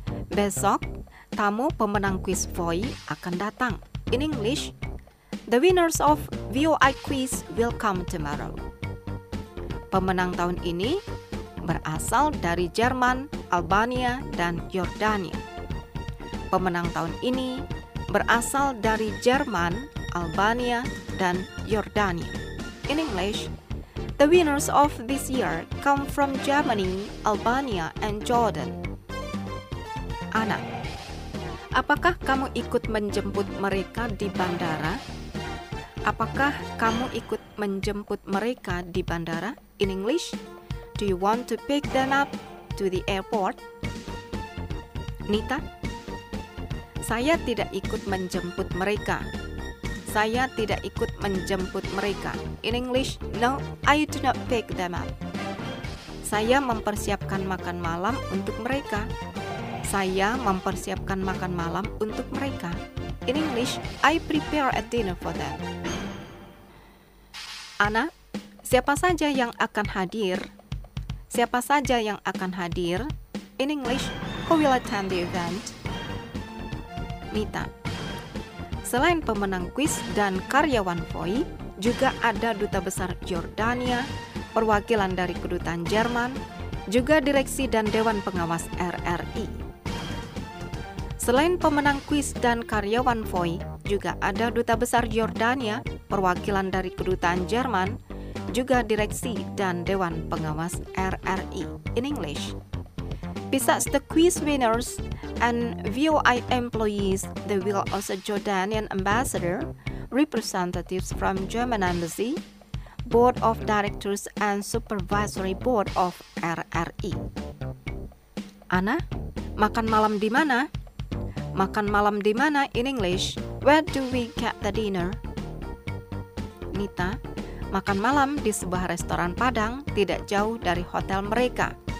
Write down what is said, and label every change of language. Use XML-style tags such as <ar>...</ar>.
<id>Besok, tamu pemenang kuis VOI akan datang.</id> <en>In English, the winners of VOI quiz will come tomorrow.</en> <id>Pemenang tahun ini berasal dari Jerman, Albania, dan Yordania. Pemenang tahun ini berasal dari Jerman, Albania, dan Yordania.</id> <en>In English, the winners of this year come from Germany, Albania, and Jordan.</en> <id>Anna, apakah kamu ikut menjemput mereka di bandara? Apakah kamu ikut menjemput mereka di bandara?</id> <en>In English, do you want to pick them up to the airport?</en> <id>Nita, saya tidak ikut menjemput mereka. Saya tidak ikut menjemput mereka.</id> <en>In English, no, I do not pick them up.</en> <id>Saya mempersiapkan makan malam untuk mereka. Saya mempersiapkan makan malam untuk mereka.</id> <en>In English, I prepare a dinner for them.</en> <id>Anna, siapa saja yang akan hadir? Siapa saja yang akan hadir?</id> <en>In English, who will attend the event?</en> <id>Nita, selain pemenang kuis dan karyawan VOI, juga ada Duta Besar Yordania, perwakilan dari Kedutaan Jerman, juga Direksi dan Dewan Pengawas RRI. Selain pemenang kuis dan karyawan VOI, juga ada Duta Besar Yordania, perwakilan dari Kedutaan Jerman, juga Direksi dan Dewan Pengawas RRI.</id> <en>In English, besides the quiz winners and VOI employees, there will also Jordanian ambassador, representatives from German Embassy, Board of Directors and Supervisory Board of RRI.</en> <id>Anna, makan malam di mana? Makan malam di mana?</id> <en>In English, where do we get the dinner?</en> <id>Nita, makan malam di sebuah restoran Padang tidak jauh dari hotel mereka.</id>